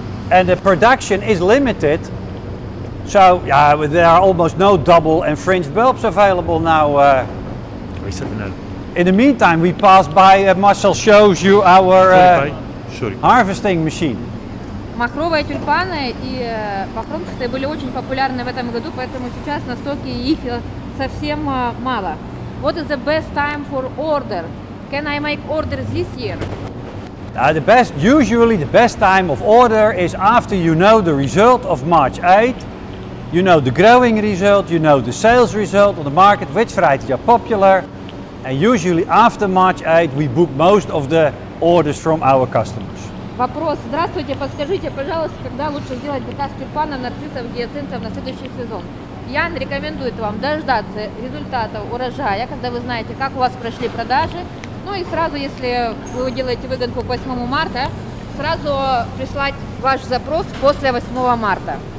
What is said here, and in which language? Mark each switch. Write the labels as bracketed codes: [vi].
[en] And the production is limited, so yeah, there are almost no double and fringed bulbs available now. In the meantime, we pass by, Marcel shows you our harvesting machine. [ru] Махровые тюльпаны и похромчатые были очень популярны в этом году, поэтому сейчас на стоке их совсем мало. [en] What is the best time for order? Can I make order this year? Usually the best time of order is after you know the result of March 8th. You know the growing result, you know the sales result on the market, which varieties are popular. And usually after March 8th we book most of the orders from our customers. [ru] Вопрос. Здравствуйте, подскажите, пожалуйста, когда лучше сделать заказ тюльпана, нарциссов, гиацинтов на следующий сезон? Ян рекомендует вам дождаться результатов урожая, когда вы знаете, как у вас прошли продажи. Ну и сразу, если вы делаете выгонку к 8 марта, сразу прислать ваш запрос после 8 марта.